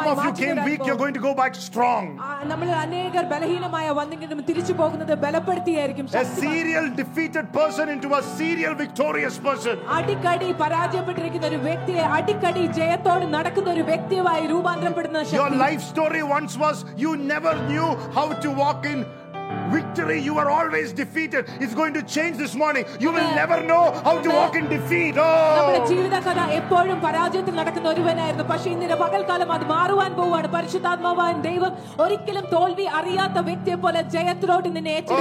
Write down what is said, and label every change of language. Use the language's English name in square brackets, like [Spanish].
[English] മാറ്റി. Some of you came weak, you're going to go back strong. [Malayalam] നമ്മൾ അനേകർ ബലഹീനമായ വന്നെങ്കിലും തിരിച്ചു പോകുന്നത് ബലപ്പെടുത്തിയായിരിക്കും. [English] A serial defeated person into a serial victorious person. [Malayalam] അടിക്കടി പരാജയപ്പെട്ടിരിക്കുന്ന ഒരു വ്യക്തിയെ അടിക്കടി ജയത്തോടെ നടക്കുന്ന ഒരു വ്യക്തിയായി രൂപാന്തരപ്പെടുന്ന ശക്തി. [English] Your life story once was you never knew how to walk in victory. You are always defeated. It's going to change this morning. You will never know how to walk in defeat. [Malayalam] നമ്മുടെ ജീവിതകഥ എപ്പോഴും പരാജയത്തിൽ നടക്കുന്ന ഒരുവനായിരുന്നു, പക്ഷേ ഇന്നിനെ പകൽക്കാലം അത് മാറുവാൻ പോവുകയാണ്. പരിശുദ്ധാത്മാവായ ദൈവം ഒരിക്കലും തോൽവി അറിയാത്ത വ്യക്തിയെ പോലെ ജയത്തിലോട്ട് നിന്നെ